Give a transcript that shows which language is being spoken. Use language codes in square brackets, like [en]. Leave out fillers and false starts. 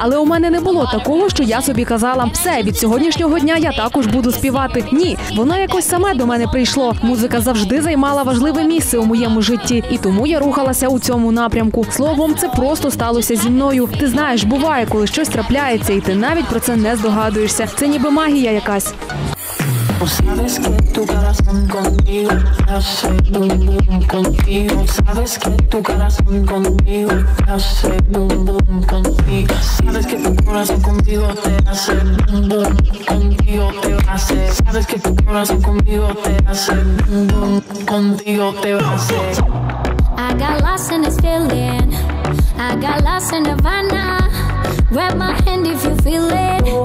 [uk] Але у мене не було такого, що я собі казала, все, від сьогоднішнього дня я також буду співати. Ні, воно якось саме до мене прийшло. Музика завжди займала важливе місце у моєму житті, і тому я рухалася у цьому напрямку. Словом, це просто сталося зі мною. Ти знаєш, буває, коли щось трапляється, і ти навіть про це не здогадуєшся. Це ніби магія якась. [es] Sabes que tu corazón conmigo hace bum bum contigo. Sabes que tu corazón conmigo hace bum bum contigo. Sabes que tu corazón conmigo te hace bum bum contigo te hace. Sabes que tu corazón conmigo te hace bum bum contigo te hace. [en] I got lost in this feeling. I got lost in Havana. Grab my hand if you feel it.